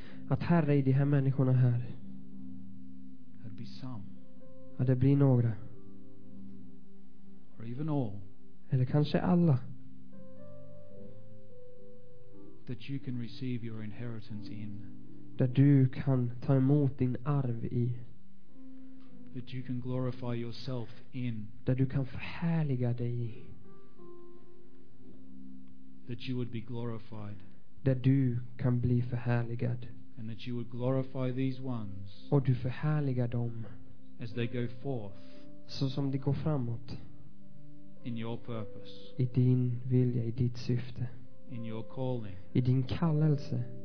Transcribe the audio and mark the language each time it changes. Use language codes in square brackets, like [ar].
[sv] Att Herre i de här människorna här. [en] There'd be some. [sv] Att det blir några. [en] Or even all. [sv] Eller kanske alla. [en] That you can receive your inheritance in. [sv] Där du kan ta emot din arv i. [en] that you can glorify yourself in. [sv] Där du kan förhärliga dig I. [en] That you would be glorified. [sv] Där du kan bli förhärligad. [en] And that you would glorify these ones. [sv] Och du förhärliga dem. [en] As they go forth. [sv] Så som de går framåt. [en] In your purpose. [sv] I din vilja, I ditt syfte. [en] In your calling. [sv] I din kallelse.